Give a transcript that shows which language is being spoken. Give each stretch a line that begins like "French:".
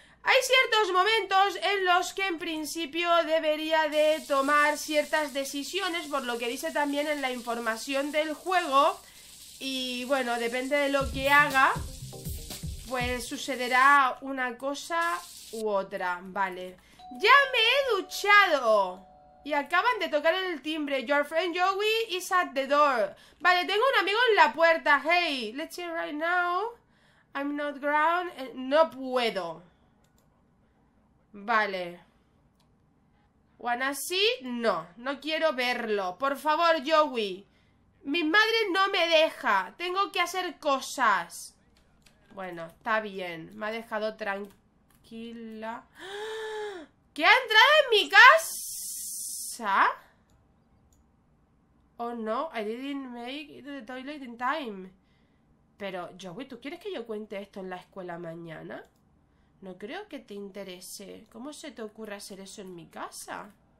Spanish: Hay ciertos momentos en los que en principio debería de tomar ciertas decisiones, por lo que dice también en la información del juego. Y bueno, depende de lo que haga, pues sucederá una cosa u otra, vale. ¡Ya me he duchado! Y acaban de tocar el timbre.
English: Your friend Joey is at the door.
Spanish: Vale, tengo un amigo en la puerta.
English: Hey, let's see right now. I'm not ground.
Spanish: No puedo. Vale.
English: ¿Wanna see?
Spanish: No, no quiero verlo. Por favor, Joey. Mi madre no me deja. Tengo que hacer cosas. Bueno, está bien. Me ha dejado tranquila. ¿Qué ha entrado en mi casa?
English: Oh no, I didn't make it to the toilet in time.
Spanish: Pero, Joey, ¿tú quieres que yo cuente esto en la escuela mañana? No creo que te interese. ¿Cómo se te ocurre hacer eso en mi casa?